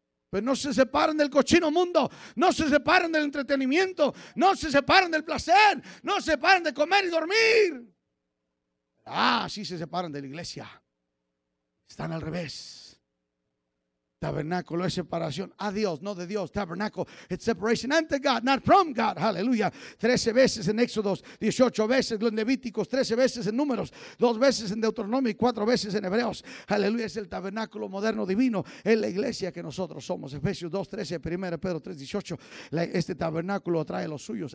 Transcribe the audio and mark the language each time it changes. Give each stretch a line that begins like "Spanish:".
Spanish: Pero no se separan del cochino mundo, no se separan del entretenimiento, no se separan del placer, no se separan de comer y dormir. Ah, sí se separan de la iglesia. Están al revés. Tabernáculo es separación a Dios, no de Dios.
English: Tabernáculo, it's separation unto God, not from God.
Spanish: Aleluya. 13 veces en Éxodo, 18 veces en Levíticos, 13 veces en Números, 2 veces en Deuteronomio y 4 veces en Hebreos. Aleluya. Es el tabernáculo moderno divino. Es la iglesia que nosotros somos. Efesios 2, 13, 1 Pedro 3, 18. Este tabernáculo trae los suyos.